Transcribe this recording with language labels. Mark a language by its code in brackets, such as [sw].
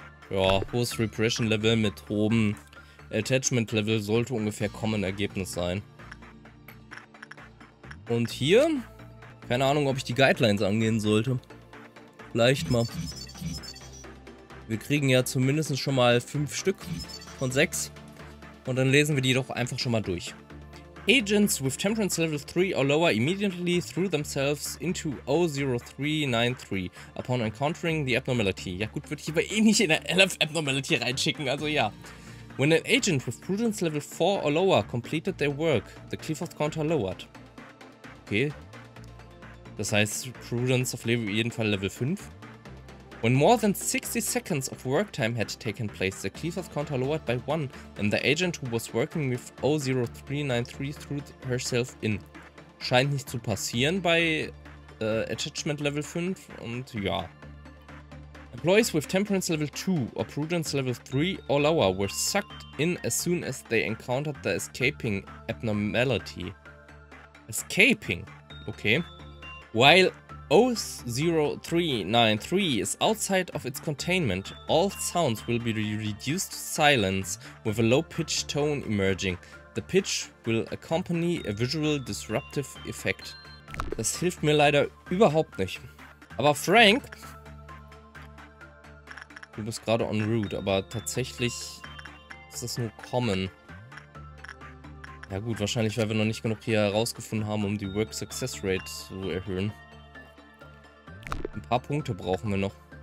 [de] Ja, hohes Repression Level mit hohem Attachment Level sollte ungefähr kommen Ergebnis sein. Und hier, keine Ahnung, ob ich die Guidelines angehen sollte. Vielleicht mal. Wir kriegen ja zumindest schon mal 5 Stück von 6. Und dann lesen wir die doch einfach schon mal durch. [en] Agents with Temperance Level 3 or lower immediately threw themselves into O0393 upon encountering the abnormality. [de] Ja gut, würde ich aber eh nicht in der LF Abnormality reinschicken, also ja. [en] When an agent with Prudence Level 4 or lower completed their work, the Clifford Counter lowered. Okay. [de] Das heißt, Prudence auf jeden Fall Level 5. [en] When more than 60 seconds of work time had taken place, the Cleaver's counter lowered by 1 and the agent who was working with O0393 threw herself in. [de] Scheint nicht zu passieren bei Attachment Level 5 und ja. [en] Employees with Temperance Level 2 or Prudence Level 3 or lower were sucked in as soon as they encountered the escaping abnormality. Escaping. Okay. While O0393 is outside of its containment, all sounds will be reduced to silence with a low pitch tone emerging. The pitch will accompany a visual disruptive effect. [de] Das hilft mir leider überhaupt nicht. Aber Frank, du bist gerade en route, aber tatsächlich ist das nur common. Ja gut, wahrscheinlich, weil wir noch nicht genug hier herausgefunden haben, um die Work Success Rate zu erhöhen. Ein paar Punkte brauchen wir noch.